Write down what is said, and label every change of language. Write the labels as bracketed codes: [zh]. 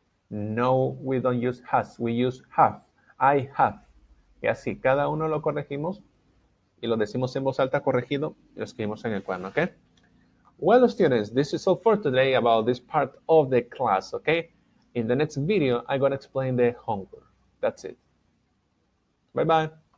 [en] No, we don't use has, we use have. I have. [es] Y así, cada uno lo corregimos y lo decimos en voz alta corregido y lo escribimos en el cuaderno, ¿ok? [en] Well, students, this is all for today about this part of the class, okay? In the next video, I'm gonna explain the homework. That's it. Bye-bye.